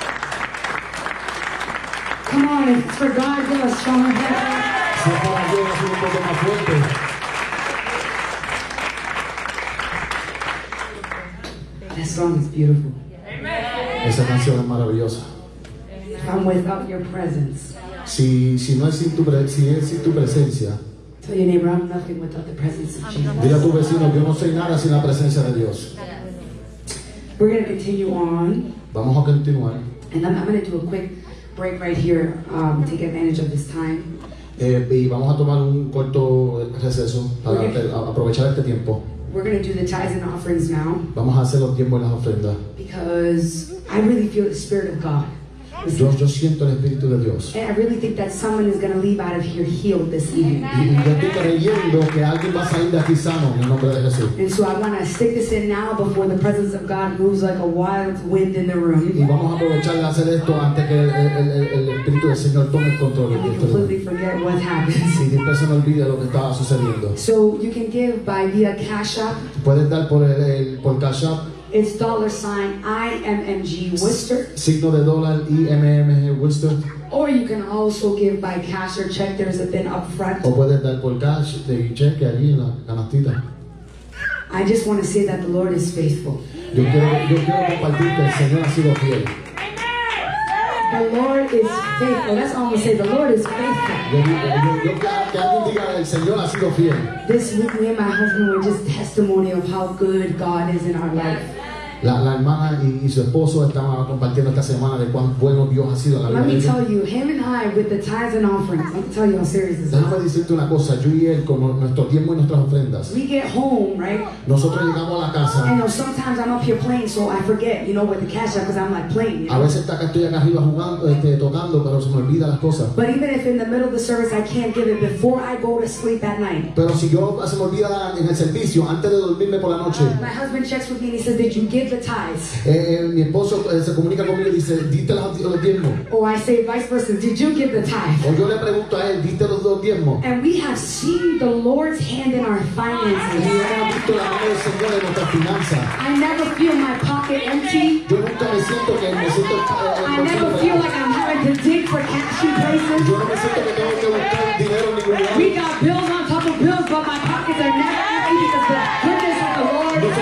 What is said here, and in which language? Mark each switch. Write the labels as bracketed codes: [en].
[en] Come on, if it's for God, give us stronger hands. [es] Si para Dios, es un poco más fuerte. [en] This song is beautiful. Amen. [es] Esa canción es maravillosa. [en] If I'm without your presence. [es] Si no es sin tu presencia. [en] Tell your neighbor, I'm nothing without the presence of Jesus. [es] Dile a tu vecino, yo no soy nada sin la presencia de Dios. [en] We're going to continue on. [es] Vamos a continuar. [en] And I'm going to do a quick break right here, take advantage of this time. [es] Y vamos a tomar un corto receso para aprovechar este tiempo. [en] We're going to do the tithes and offerings now. [es] Vamos a hacer los diezmos y las ofrendas. [en] Because I really feel the Spirit of God. [es] Yo siento el Espíritu de Dios. [en] And I really think that someone is going to leave out of here healed this evening. [es] Y yo estoy creyendo que alguien va a salir de aquí sano en el nombre de Jesús. [en] And so I want to stick this in now before the presence of God moves like a wild wind in the room. [es] Y vamos a aprovechar de hacer esto antes que el Espíritu del Señor tome el control. [en] And completely forget what happened. [es] Y después se me olvida lo que estaba sucediendo. [en] So you can give by via Cash App. [es] Puedes dar por Cash App. [en] It's $IMMG Worcester. [es] Signo de dólar IMMG Worcester. [en] Or you can also give by cash or check. There's a thing up front. [es] O puedes dar por cash de cheque allí en la canastita. [en] I just want to say that the Lord is faithful. [es] Yo quiero compartir que el Señor ha sido fiel. [en] The Lord is faithful. That's all I'm gonna say. The Lord is faithful. [es] Yo quiero que alguien diga el Señor ha sido fiel. [en] This week, me and my husband were just testimony of how good God is in our life. [es] La hermana y su esposo estaban compartiendo esta semana de cuán bueno Dios ha sido en la vida. [en] Let me tell you, him and I with the tithes and offerings. Let me tell you how serious this is. [es] Déjame decirte una cosa, yo y él con nuestro tiempo y nuestras ofrendas. [en] We get home, right? [es] Nosotros llegamos a la casa. [en] And sometimes I'm up here playing, so I forget, you know, with the cash app, because I'm like playing. You know? [es] A veces está que estoy acá arriba jugando, tocando, pero se me olvida las cosas. [en] But even if in the middle of the service I can't give it before I go to sleep at night. [es] Pero si yo se me olvida en el servicio antes de dormirme por la noche. [en] My husband checks with me and he says, did you give the tithes? [es] Mi esposo se comunica conmigo y dice, ¿diste los diezmos? [en] Or I say, vice versa, did you give the tithes? [es] O yo le pregunto a él, ¿diste los dos diezmos? [en] And we have seen the Lord's hand in our finances. [es] Y hemos visto la mano del Señor en nuestras finanzas. [en] I never feel my pocket empty. [es] Yo nunca me siento que me siento. [en] I never feel like I'm having to dig for cash in places. [es] Yo no me siento que tengo que buscar dinero en ningún lugar. [en] We got bills on top of bills, but my pockets are never empty because of that.